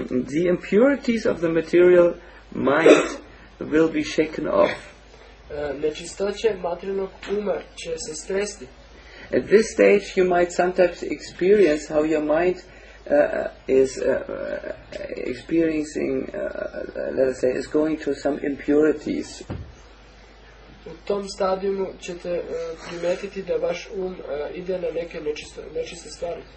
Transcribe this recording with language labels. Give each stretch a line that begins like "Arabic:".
English: The impurities of the material mind will be shaken off.
Serbian: Nečistoće materijalnog uma će se stresti.
English: At this stage you might sometimes experience how your mind is experiencing, let us say, is going to some impurities.
Serbian: U tom stadiumu ćete primetiti da vaš um ide na neke nečiste stvari.